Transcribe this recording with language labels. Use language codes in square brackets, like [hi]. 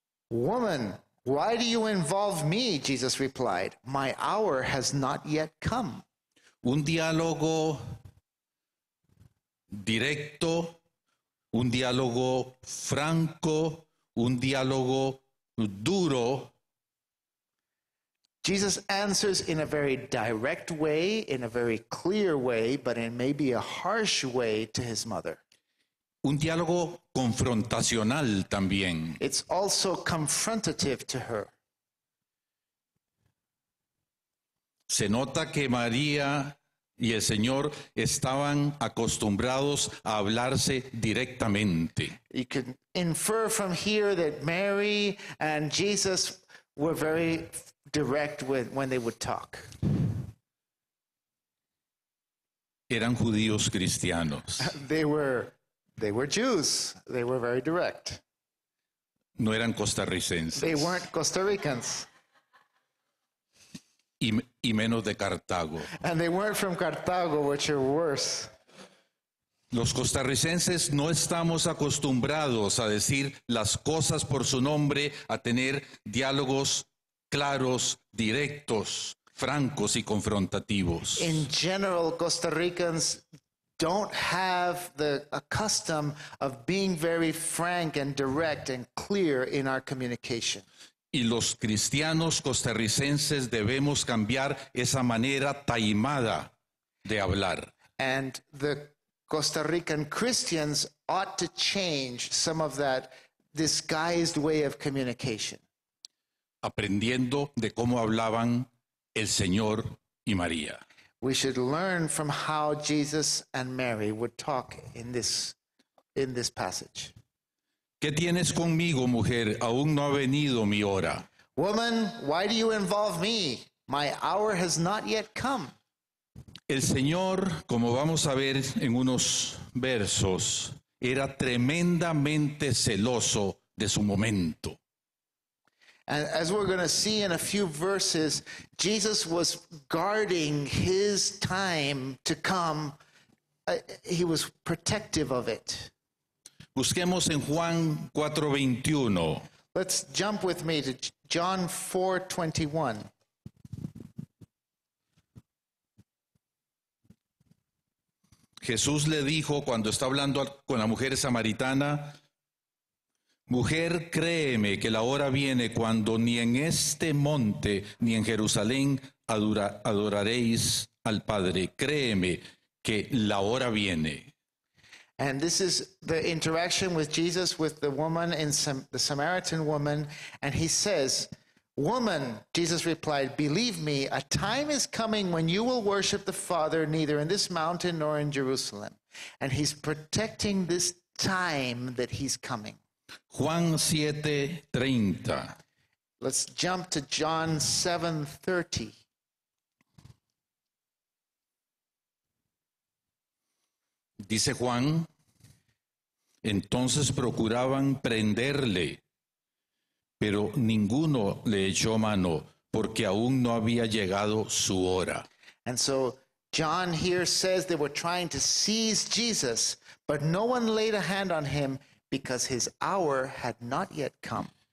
[en] Woman, why do you involve me? Jesus replied, my hour has not yet come. [es] Un diálogo directo, un diálogo franco, un diálogo duro. [en] Jesus answers in a very direct way, in a very clear way, but in maybe a harsh way to his mother. [es] Un diálogo confrontacional también. [en] It's also confrontative to her. [es] Se nota que María y el Señor estaban acostumbrados a hablarse directamente. [en] You can infer from here that Mary and Jesus were very direct when they would talk. [es] Eran judíos cristianos. [en] They were Jews. They were very direct. [es] No eran costarricenses. [en] They weren't Costa Ricans. [es] Y menos de Cartago. [en] And they weren't from Cartago, which are worse. [es] Los costarricenses no estamos acostumbrados a decir las cosas por su nombre, a tener diálogos claros, directos, francos y confrontativos. [en] In general, Costa Ricans don't have a custom of being very frank and direct and clear in our communication. [es] Y los cristianos costarricenses debemos cambiar esa manera taimada de hablar. [en] And the Costa Rican Christians ought to change some of that disguised way of communication. [es] Aprendiendo de cómo hablaban el Señor y María. [en] We should learn from how Jesus and Mary would talk in this passage. [es] ¿Qué tienes conmigo, mujer? Aún no ha venido mi hora. [en] Woman, why do you involve me? My hour has not yet come. [es] El Señor, como vamos a ver en unos versos, era tremendamente celoso de su momento. [en] And as we're going to see in a few verses, Jesus was guarding his time to come. He was protective of it. [es] Busquemos en Juan 4:21. [en] Let's jump with me to John 4:21. [es] Jesús le dijo, cuando está hablando con la mujer samaritana, mujer, créeme que la hora viene cuando ni en este monte ni en Jerusalén adoraréis al Padre. Créeme que la hora viene. [en] And this is the interaction with Jesus with the woman, the Samaritan woman. And he says, woman, Jesus replied, believe me, a time is coming when you will worship the Father neither in this mountain nor in Jerusalem. And he's protecting this time that he's coming. [es] Juan 7:30. [en] Let's jump to John 7:30. [es] Dice Juan, entonces procuraban prenderle, pero ninguno le echó mano, porque aún no había llegado su hora. [en] And so John here says they were trying to seize Jesus, but no one laid a hand on him, because his hour had not yet come.